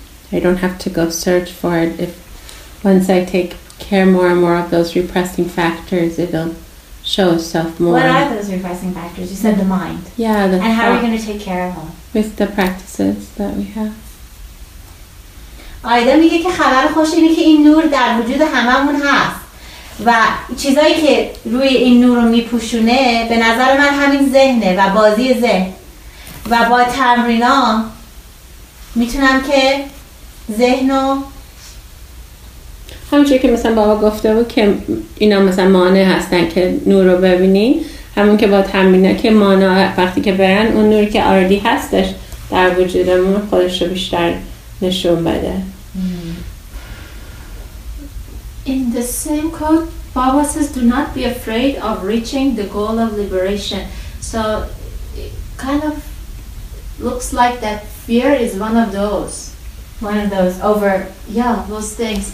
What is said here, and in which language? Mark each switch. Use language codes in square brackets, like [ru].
[en] I don't have to go search for it. If once I take care more and more of those repressing factors, it'll show itself more. What are those repressing factors? You said the mind. Yeah, the thought. And how are you going to take care of them? With the practices that we have. [fa] آیده میگه که خبر خوش اینه که این نور در وجود هممون هست و چیزایی که روی این نور رو میپوشونه به نظر من همین ذهنه و بازی ذهن و با تمرینا میتونم که ذهن رو همونجور که مثلا بابا گفته بود که اینا مثلا مانع هستن که نور رو ببینی همون که با تمرینا که مانع وقتی که برن اون نوری که آردی هستش در وجودمون خودش رو بیشتر نشون بده. [en] In the same quote, Baba says, do not be afraid of reaching the goal of liberation. So it kind of looks like that fear is one of those. One of those over, yeah, those things.